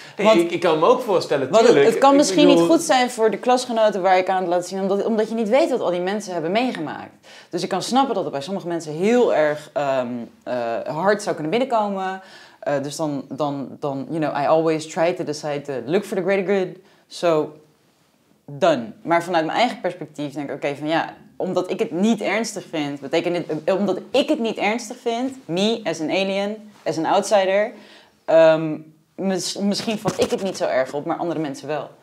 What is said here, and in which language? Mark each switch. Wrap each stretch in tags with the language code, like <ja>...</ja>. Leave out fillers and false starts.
<nl>Nee, want, ik kan me ook voorstellen, tuurlijk. Het kan misschien niet goed zijn voor de klasgenoten waar ik aan het laten zien, omdat je niet weet wat al die mensen hebben meegemaakt. Dus ik kan snappen dat het bij sommige mensen heel erg hard zou kunnen binnenkomen. Dus dan,</nl> <en>you know, I always try to decide to look for the greater good. So, done.</en> <nl>Maar vanuit mijn eigen perspectief denk ik, oké, van ja, omdat ik het niet ernstig vind, betekent het, omdat ik het niet ernstig vind,</nl> <en>me as an alien, as an outsider,</en> <nl>misschien vond ik het niet zo erg op, maar andere mensen wel.</nl>